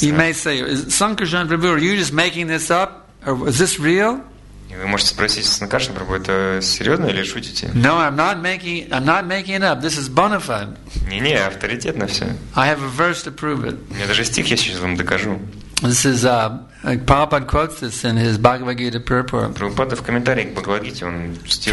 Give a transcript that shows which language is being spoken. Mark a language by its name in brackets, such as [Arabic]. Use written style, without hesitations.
[English] You may say, Sankarshan Prabhu, are you just making this up, or is this real? [Russian] Вы можете спросить Санкаршан Прабху, это серьезно или шутите? [English] No, I'm not making it up. This is bona fide. [Russian] Не, авторитетно все. [English] I have a verse to prove it. [Russian] Я даже стих есть, сейчас вам докажу. [English] This is Prabhupada quotes this in his Bhagavad Gita Purport. [Russian] Прабхупада в комментарии к Бхагавад Гите он стих.